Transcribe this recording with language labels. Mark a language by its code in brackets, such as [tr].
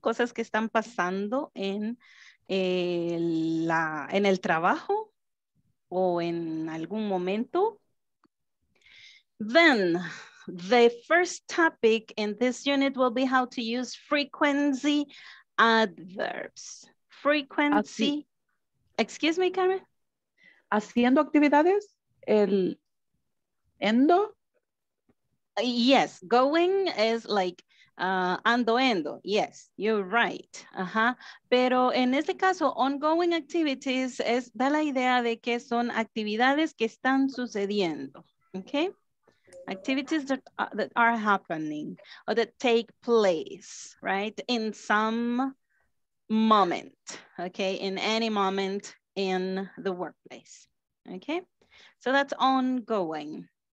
[es] Cosas que están pasando en el trabajo o en algún momento. [en] Then, the first topic in this unit will be how to use frequency adverbs. Frequency. Así. Excuse me, Carmen. [es] Haciendo actividades, el endo. [en] Yes, going is like ando. Yes, you're right. Ajá. [es] Pero en este caso, ongoing activities es, da la idea de que son actividades que están sucediendo. [en] Okay? Activities that are happening or that take place, right? In some moment. Okay? In any moment in the workplace. Okay? So that's ongoing.